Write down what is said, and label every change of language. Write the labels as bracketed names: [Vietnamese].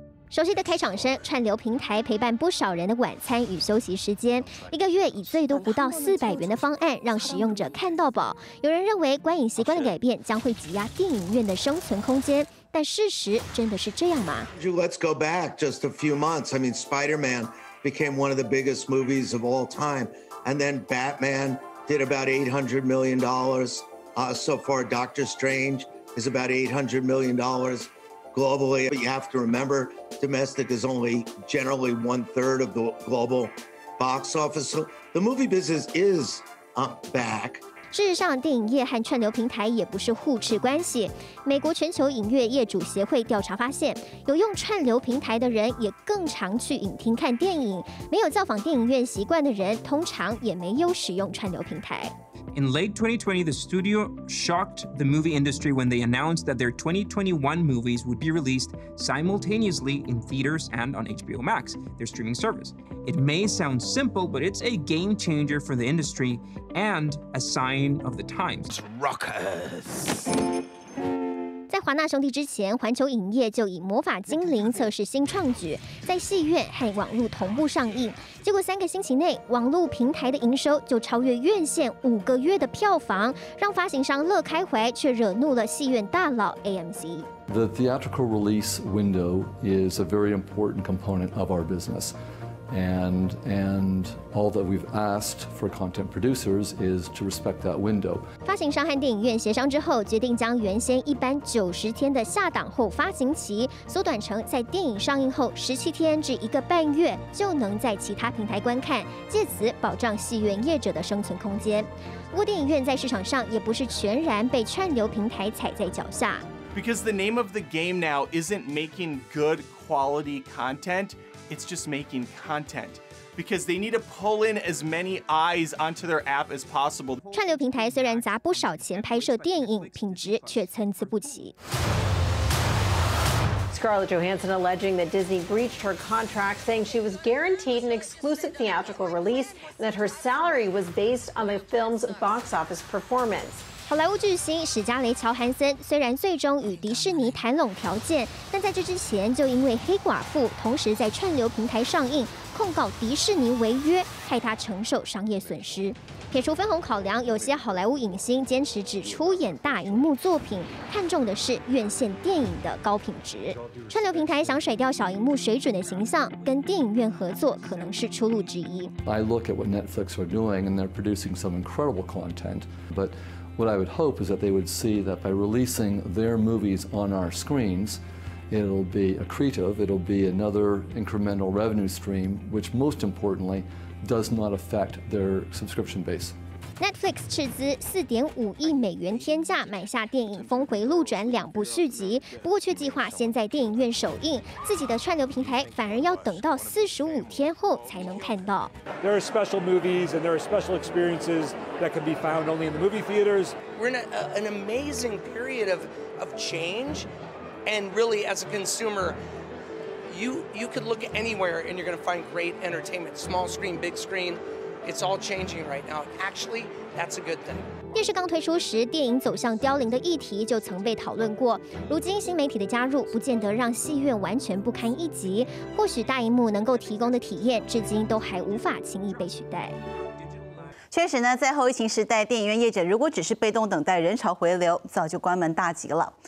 [Chinese] 熟悉的开场声，串流平台陪伴不少人的晚餐与休息时间。一个月以最多不到$400的方案，让使用者看到饱。有人认为观影习惯的改变将会挤压电影院的生存空间，但事实真的是这样吗 [English] ？Let's go back just a few months. I mean, Spider-Man became one of the biggest movies of all time, and then Batman did about $800 million. So far, Doctor Strange is about $800 million. globally. But you have to remember, domestic is only generally 1/3 of the global box office. So the movie business is back. [Chinese] 事实上，电影业和串流平台也不是互斥关系。美国全球影业业主协会调查发现，有用串流平台的人也更常去影厅看电影，没有造访电影院习惯的人通常也没有使用串流平台。 [English] In late 2020, the studio shocked the movie industry when they announced that their 2021 movies would be released simultaneously in theaters and on HBO Max, their streaming service. It may sound simple, but it's a game changer for the industry and a sign of the times. Rockers! [Chinese] 在华纳兄弟之前，环球影业就以《魔法精灵》测试新创举，在戏院和网络同步上映。结果三个星期内，网络平台的营收就超越院线五个月的票房，让发行商乐开怀，却惹怒了戏院大佬 AMC。 [English] The theatrical release window is a very important component of our business, and all that we've asked for content producers is to respect that window. [Chinese] 发行商和电影院协商之后，决定将原先一般90天的下档后发行期缩短成在电影上映后17天至一个半月就能在其他平台观看，借此保障戏院业者的生存空间。不过，电影院在市场上也不是全然被串流平台踩在脚下。 [English] Because the name of the game now isn't making good quality content. It's just making content because they need to pull in as many eyes onto their app as possible. [Chinese] 串流平台虽然砸不少钱拍摄电影，品质却参差不齐。 [English] Scarlett Johansson alleging that Disney breached her contract, saying she was guaranteed an exclusive theatrical release and that her salary was based on the film's box office performance. [Chinese] 好莱坞巨星史嘉蕾·乔韩森虽然最终与迪士尼谈拢条件，但在这之前就因为《黑寡妇》同时在串流平台上映，控告迪士尼违约，害他承受商业损失。撇除分红考量，有些好莱坞影星坚持只出演大荧幕作品，看重的是院线电影的高品质。串流平台想甩掉小荧幕水准的形象，跟电影院合作可能是出路之一。 [English] I look at what Netflix are doing, and they're producing some incredible content, but. What I would hope is that they would see that by releasing their movies on our screens, it'll be accretive, it'll be another incremental revenue stream, which most importantly, does not affect their subscription base. [Chinese] Netflix 斥资$4.5亿天价买下电影《峰回路转》两部续集，不过却计划先在电影院首映，自己的串流平台反而要等到45天后才能看到。 [English] There are special movies and there are special experiences that can be found only in the movie theaters. We're in an amazing period of change, and really, as a consumer, you could look anywhere and you're going to find great entertainment, small screen, big screen. It's all changing right now. Actually, that's a good thing. [Chinese] 电视刚推出时，电影走向凋零的议题就曾被讨论过。如今新媒体的加入，不见得让戏院完全不堪一击。或许大荧幕能够提供的体验，至今都还无法轻易被取代。确实呢，在后疫情时代，电影院业者如果只是被动等待人潮回流，早就关门大吉了。